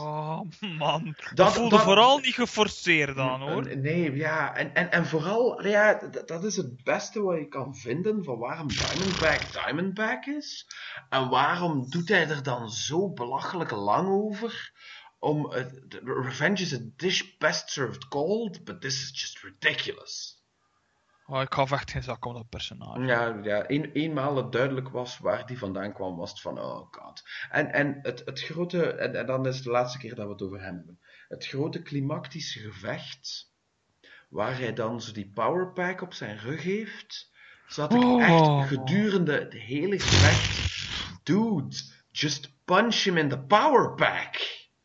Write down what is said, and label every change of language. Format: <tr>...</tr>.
<nl>Oh man, dat voelde vooral niet geforceerd aan, hoor. Nee, ja, en vooral, ja, dat is het beste wat je kan vinden van waarom Diamondback is. En waarom doet hij er dan zo belachelijk lang over?</nl> <en>Revenge is a dish best served cold, but this is just ridiculous.</en> <nl>Oh, ik gaf echt geen zak om dat personage. Ja, eenmaal het duidelijk was waar die vandaan kwam, was het van, oh god. En het grote, en dan is het de laatste keer dat we het over hem hebben. Het grote klimactische gevecht, waar hij dan zo die powerpack op zijn rug heeft, zat ik echt gedurende het hele gevecht,</nl> <en>dude, just punch him in the powerpack.</en>